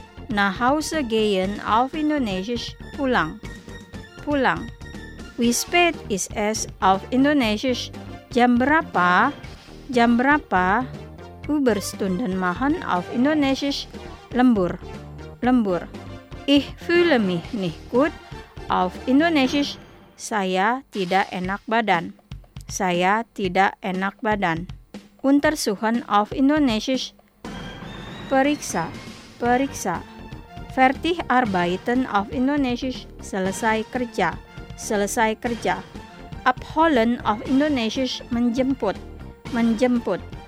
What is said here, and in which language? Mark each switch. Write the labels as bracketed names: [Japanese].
[German] Nach Hause gehen, auf Indonesisch, pulang, pulang. Wie spät ist es, auf Indonesisch, [Indonesian] jam berapa, jam berapa. [German] Überstunden machen auf Indonesisch lembur, lembur. Ich fühle mich nicht gut auf Indonesisch. [Indonesian] Saya tidak enak badan, saya tidak enak badan. [German] Untersuchen auf Indonesisch periksa, periksa. Fertig arbeiten auf Indonesisch [Indonesian] selesai kerja. [German] Abholen auf Indonesisch menjemput, menjemput.